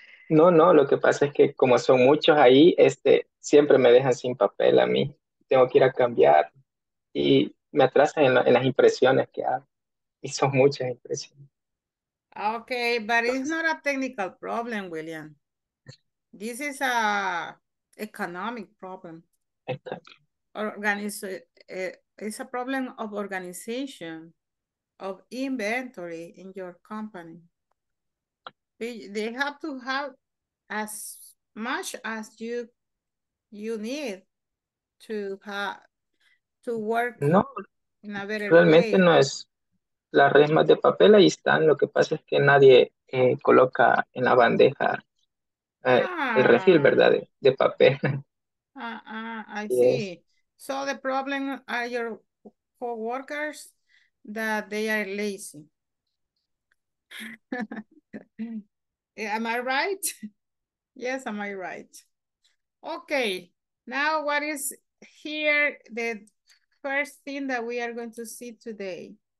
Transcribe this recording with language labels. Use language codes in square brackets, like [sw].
[es] No, no, lo que pasa es que como son muchos ahí, siempre me dejan sin papel a mí. Tengo que ir a cambiar. Y me atrasan en las impresiones que hago. Y son muchas impresiones. [en] Okay, but it's not a technical problem, William. This is a economic problem. It's a problem of organization of inventory in your company. They have to have as much as you need to have to work. [es] No, [en] in a better [es] realmente [en] way. [es] No es las resmas de papel, ahí están. Lo que pasa es que nadie coloca en la bandeja el refil, ¿verdad? De papel. [en] I yes. See. So the problem are your co-workers that they are lazy. Am I right? Yes, am I right? Okay, now what is here the first thing that we are going to see today?